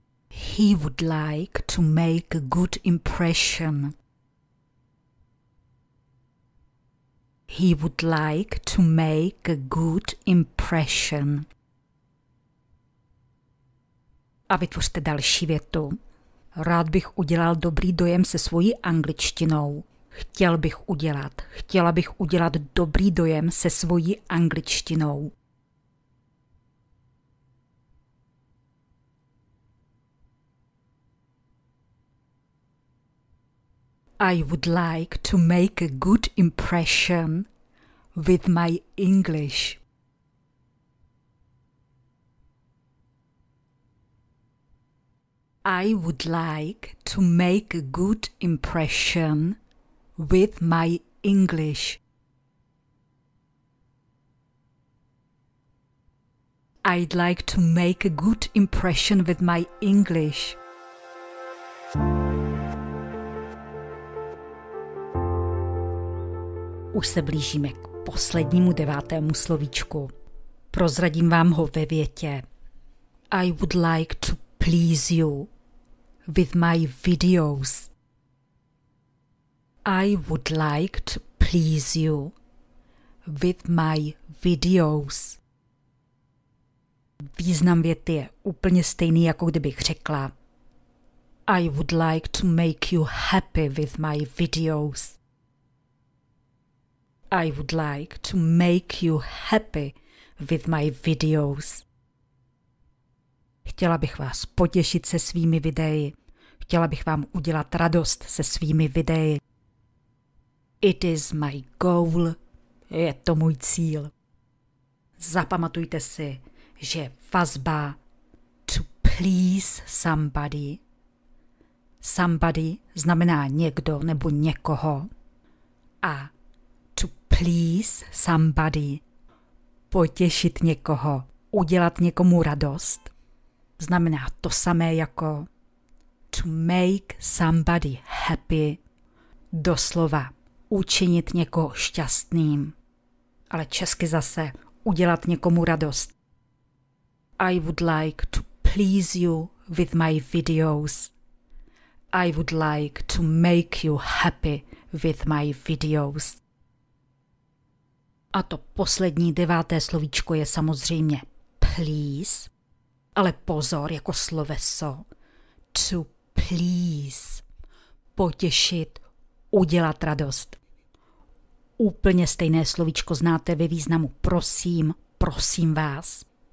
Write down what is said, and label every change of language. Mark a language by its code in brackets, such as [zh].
[en] He would like to make a good impression. he would like to make a good impression. [cs] A vytvořte další větu. Rád bych udělal dobrý dojem se svojí angličtinou. Chtěla bych udělat dobrý dojem se svojí angličtinou. [en] I would like to make a good impression with my English. I would like to make a good impression with my English. I'd like to make a good impression with my English. [cs] Už se blížíme k poslednímu devátému slovíčku. Prozradím vám ho ve větě. [en] I would like to please you with my videos. I would like to please you with my videos. [cs] Význam věty je úplně stejný, jako kdybych řekla. [en] I would like to make you happy with my videos. I would like to make you happy with my videos. [cs] Chtěla bych vás potěšit se svými videi. Chtěla bych vám udělat radost se svými videi. [en] It is my goal. [cs] Je to můj cíl. Zapamatujte si, že vazba [en] to please somebody. [cs] Somebody znamená někdo nebo někoho. A please somebody, potěšit někoho, udělat někomu radost, znamená to samé jako [en] to make somebody happy, [cs] doslova učinit někoho šťastným, ale česky zase udělat někomu radost. [en] I would like to please you with my videos. I would like to make you happy with my videos. [cs] A to poslední deváté slovíčko je samozřejmě please, ale pozor, jako sloveso. [en] To please, [cs] potěšit, udělat radost. Úplně stejné slovíčko znáte ve významu prosím, prosím vás.